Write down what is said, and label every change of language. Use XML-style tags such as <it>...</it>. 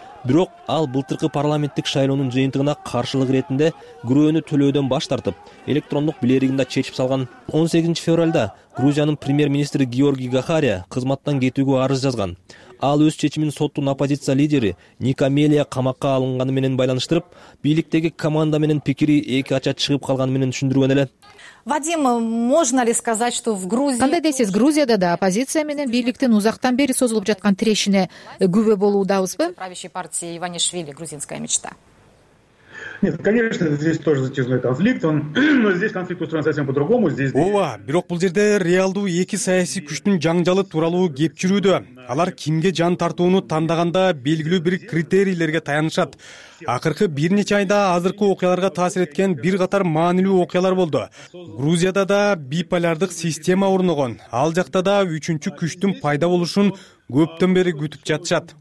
<ky>Бирок ал былтыркы парламенттик шайлоонун жыйынтыгына каршылык иретинде күрөөнү төлөөдөн баш тартып, электрондук билеригин да чечип салган. 18 февралда Грузиянын премьер-министри Георгий Гахария кызматтан кетүүгө арыз жазган. Ал өз чечимин соттун оппозиция лидери Ника Мелия камакка алынганы менен байланыштырып, бийликтеги команда менен пикири эки ача чыгып калганы менен түшүндүргөн эле.</ky> <ru>Вадим, можно ли сказать, что в Грузии...</ru> <ky>Кандай десиз, Грузияда да оппозиция менен бийликтин узактан бери созулуп жаткан тирешине күбө болуудабызбы?</ky> <ru>Правящей партии Иванишвили, грузинская мечта. Нет, конечно, здесь тоже затяжной конфликт. Но здесь конфликт устроен совсем по-другому. Здесь.</ru> <ky>Ова, бирок бул жерде реалдуу эки саясий күчтүн жаңжалы тууралуу кеп жүрүүдө. Алар кимге жан тартууну тандаганда белгилүү бир критерийлерге таянышат. Акыркы бир нече айда азыркы окуяларга таасир эткен бир катар маанилүү окуялар болду. Грузияда да биполярдык система орногон. Ал жакта да үчүнчү күчтүн пайда болушун көптөн бери күтүп жатышат.</ky>